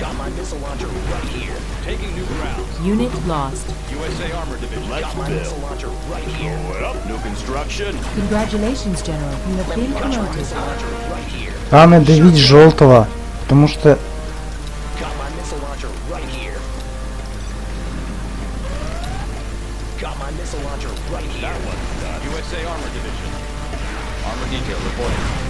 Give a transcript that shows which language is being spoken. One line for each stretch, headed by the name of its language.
English: Got my missile launcher right here. Taking new ground. Unit lost. USA Armor Division. Let's build. Got my missile launcher right here. Load up. New construction. Congratulations, General. You have been promoted.
Russian: Да, надо давить желтого, потому что...
English: Got my missile launcher right here. Got my missile launcher right here. That one's done. USA Armor Division. Armor detail reporting.